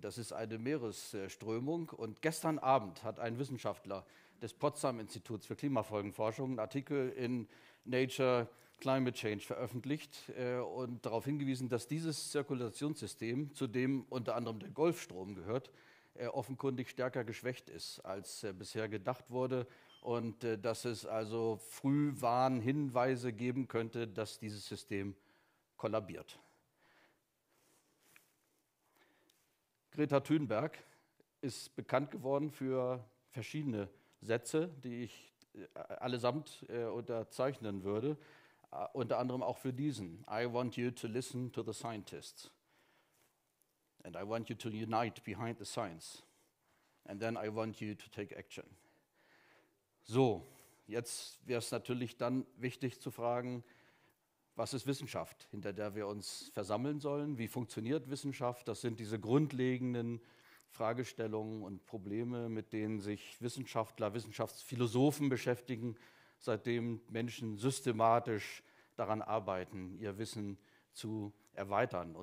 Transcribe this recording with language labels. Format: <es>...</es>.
<de>Das ist eine Meeresströmung. Und gestern Abend hat ein Wissenschaftler des Potsdam-Instituts für Klimafolgenforschung einen Artikel in Nature Climate Change veröffentlicht und darauf hingewiesen, dass dieses Zirkulationssystem, zu dem unter anderem der Golfstrom gehört, offenkundig stärker geschwächt ist, als bisher gedacht wurde und dass es also Frühwarnhinweise geben könnte, dass dieses System kollabiert. Greta Thunberg ist bekannt geworden für verschiedene Sätze, die ich allesamt unterzeichnen würde, unter anderem auch für diesen.</de> <en>I want you to listen to the scientists. And I want you to unite behind the science. And then I want you to take action.</en> <de>So, jetzt wäre es natürlich dann wichtig zu fragen, was ist Wissenschaft, hinter der wir uns versammeln sollen? Wie funktioniert Wissenschaft? Das sind diese grundlegenden Fragestellungen und Probleme, mit denen sich Wissenschaftler, Wissenschaftsphilosophen beschäftigen, seitdem Menschen systematisch daran arbeiten, ihr Wissen zu erweitern.</de>